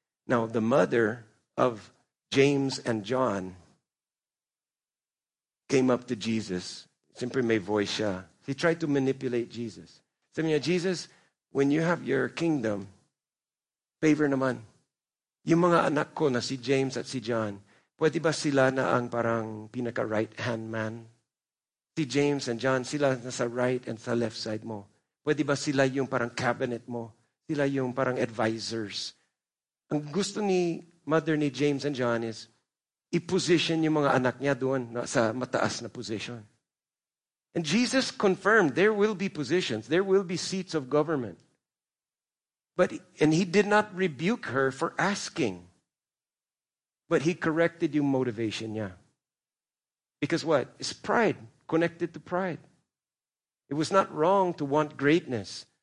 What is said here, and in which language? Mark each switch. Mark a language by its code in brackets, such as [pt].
[en] Now, the mother of James and John came up to Jesus. [tl] Siempre me voy siya. [en] He tried to manipulate Jesus. Said, you know, Jesus, when you have your kingdom, [tl] favor naman. Yung mga anak ko na si James at si John, pwede ba sila na ang parang pinaka right-hand man? Si James and John, sila na sa right and sa left side mo. Pwede ba sila yung parang cabinet mo? Sila yung parang advisors? Ang gusto ni mother ni James and John is i-position yung mga anak niya doon na sa mataas na position. [en] And Jesus confirmed there will be positions, there will be seats of government. But and he did not rebuke her for asking. But he corrected your motivation, yeah. Because what? It's pride, connected to pride. It was not wrong to want greatness.